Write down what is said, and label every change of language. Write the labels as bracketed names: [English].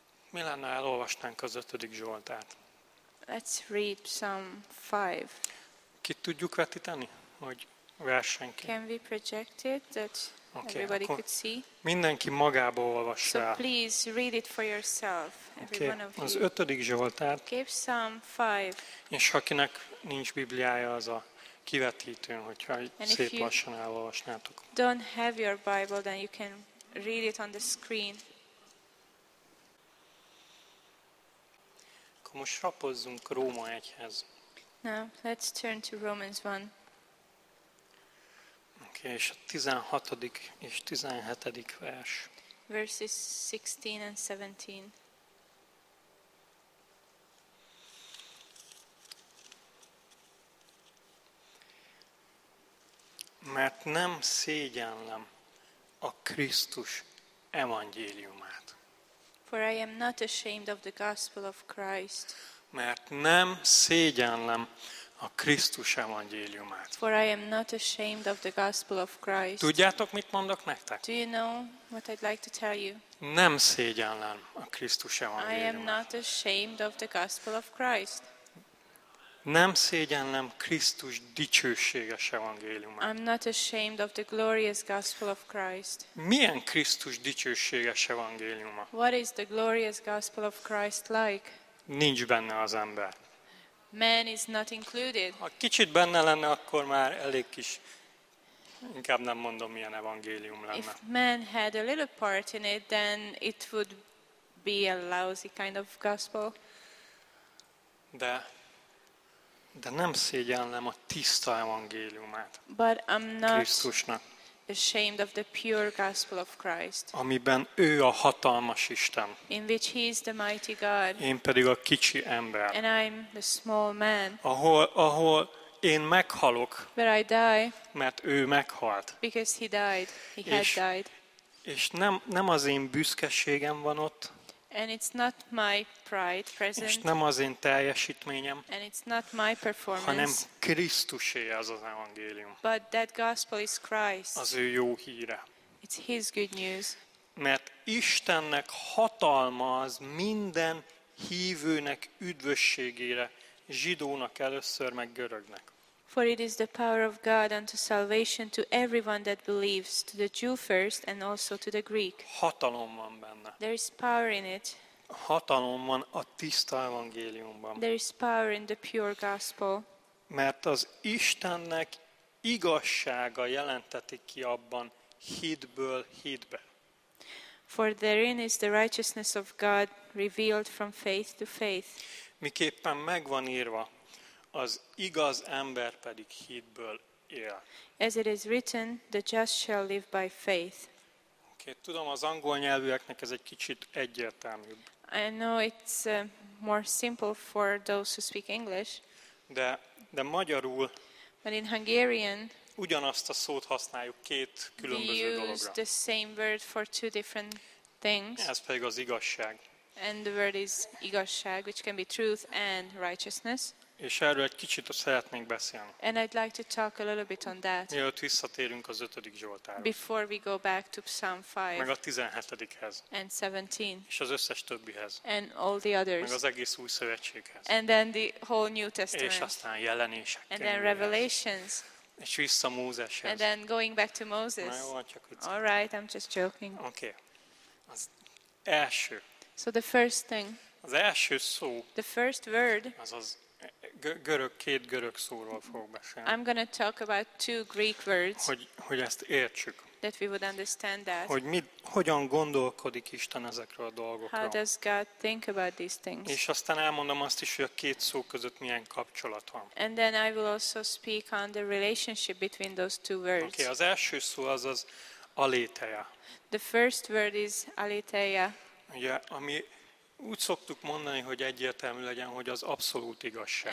[Hungarian] Mi lenne, ha elolvastánk az ötödik Zsoltát? [English] Let's read Psalm 5. [Hungarian] Ki tudjuk vetíteni, hogy versenként? [English] Can we project it that okay, everybody could see? [Hungarian] Mindenki magába olvassa. [English] So please read it for yourself, every one of you. [Hungarian] Az ötödik Zsoltát. [English] Okay, Psalm 5. [Hungarian] És akinek nincs Bibliája, az a kivetítőn, hogyha szép lassan elolvasnátok. [English] Don't have your Bible, then you can read it on the screen. [Hungarian] Most rapozzunk Róma 1-hez. [English] Now, let's turn to Romans 1. [Hungarian] Okay, és a 16. és 17. vers. [English] Verses 16 and 17. [Hungarian] Mert nem szégyellem a Krisztus evangéliumát. [English] For I am not ashamed of the gospel of Christ. [Hungarian] Mert nem szégyellem a Krisztus evangéliumát. [English] For I am not ashamed of the gospel of Christ. [Hungarian] Tudjátok, mit mondok nektek? [English] Do you know what I'd like to tell you? [Hungarian] Nem szégyellem a Krisztus evangéliumát. [English] I am not ashamed of the gospel of Christ. [Hungarian] Nem szégyellem Krisztus dicsőséges evangéliumát. [English] I'm not ashamed of the glorious gospel of Christ. [Hungarian] Milyen Krisztus dicsőséges evangéliuma? [English] What is the glorious gospel of Christ like? [Hungarian] Nincs benne az ember. [English] Man is not included. [Hungarian] Ha kicsit benne lenne, akkor már elég kis, inkább nem mondom, milyen evangélium lenne. [English] If man had a little part in it, then it would be a lousy kind of gospel. [Hungarian] De nem szégyellem a tiszta evangéliumát. [English] But I'm not [Hungarian] Krisztusnak, [English] ashamed of the pure gospel of Christ. [Hungarian] Amiben ő a hatalmas Isten. [English] In which he is the mighty God. [Hungarian] Én pedig a kicsi ember. [English] And I'm the small man. [Hungarian] Ahol én meghalok. [English] Where I die. [Hungarian] Mert ő meghalt. [English] Because he died. He had died. [Hungarian] És nem az én büszkeségem van ott. [English] And it's not my pride present. [Hungarian] És nem az én teljesítményem. [English] And it's not my performance. [Hungarian] Hanem Krisztusé az az evangélium. [English] But that gospel is Christ. [Hungarian] Az ő jó híre. [English] It's his good news. [Hungarian] Mert Istennek hatalma az minden hívőnek üdvösségére, zsidónak először meg görögnek. [English] For it is the power of God unto salvation to everyone that believes, to the Jew first and also to the Greek. [Hungarian] Hatalom van benne. [English] There is power in it. [Hungarian] Hatalom van a tiszta evangéliumban. [English] There is power in the pure gospel. [Hungarian] Mert az Istennek igazsága jelenteti ki abban hitből hitbe. [English] For therein is the righteousness of God revealed from faith to faith. [Hungarian] miképpen megvan írva, az igaz ember pedig hitből él. [English] As it is written, the just shall live by faith. [Hungarian] Okay, tudom, az angol nyelvűeknek ez egy kicsit egyértelműbb. [English] I know it's more simple for those who speak English. [Hungarian] De magyarul. [English] But in Hungarian. [Hungarian] Ugyanazt a szót használjuk két különböző dologra. [English] We use the same word for two different things. [Hungarian] Ez pedig az igazság. [English] And the word is igazság, which can be truth and righteousness. [Hungarian] És erről egy kicsit szeretnénk beszélni. [English] And I'd like to talk a little bit on that. [Hungarian] Mielőtt visszatérünk az 5. Zsoltárhoz. [English] Before we go back to Psalm 5. [Hungarian] Meg a 17-hez. [English] And 17. [Hungarian] És az összes többihez. [English] And all the others. [Hungarian] Meg az egész Új Szövetséghez. [English] And then the whole New Testament. [Hungarian] És aztán Jelenések könyvéhez. [English] And then Revelations. [Hungarian] És vissza Mózeshez. [English] And then going back to Moses. All right, I'm just joking. [Hungarian] Okay. Az első. [English] So the first thing. [Hungarian] Az első szó. [English] The first word. [Hungarian] Az görög, két görög szóról fogok beszélni. [English] I'm going to talk about two Greek words. [Hungarian] Hogy ezt értsük. [English] That we would understand that. [Hungarian] Hogy hogyan gondolkodik Isten ezekről a dolgokról. [English] How does God think about these things? [Hungarian] És aztán elmondom azt is, hogy a két szó között milyen kapcsolat van. [English] And then I will also speak on the relationship between those two words. [Hungarian] Okay, az első szó az aletheia. [English] The first word is aletheia. [Hungarian] Ugye, ami úgy szoktuk mondani, hogy egyértelmű legyen, hogy az abszolút igazság.